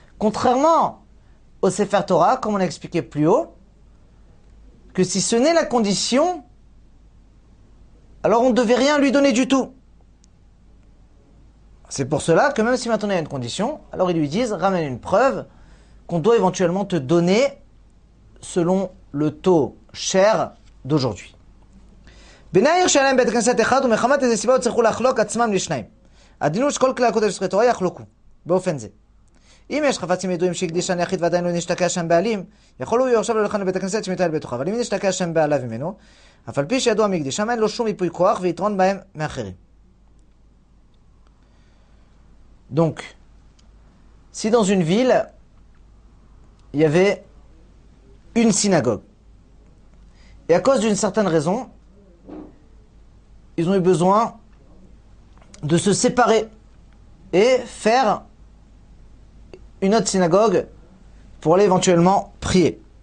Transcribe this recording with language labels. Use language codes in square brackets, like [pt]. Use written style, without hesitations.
[fr] Contrairement au Sefer Torah, comme on a expliqué plus haut, que si ce n'est la condition, alors on ne devait rien lui donner du tout. C'est pour cela que même si maintenant il y a une condition, alors ils lui disent, ramène une preuve qu'on doit éventuellement te donner selon le taux cher d'aujourd'hui. [he] בנאיר שלם בית כנסת אחד ומחמת איזה סיבה צריכו לחלוק עצמם לשניים. הדינו שכל כלי הקודש של תורה יחלוקו באופן זה. אם יש חפצים ידועים שהקדיש אני יחיד ועדיין לא נשתקע שם בעלים, יכול הוא יורשה ללכת לבית הכנסת שמתעל בתוכה. אבל אם נשתקע שם בעליו ממנו, אף על פי שידוע מקדיש, שם אין לו שום יפוי כוח ויתרון בהם מאחרים. [fr] Donc, si dans une ville, il y avait une synagogue, et à cause d'une certaine raison, ils ont eu besoin de se séparer et faire une autre synagogue pour aller éventuellement prier.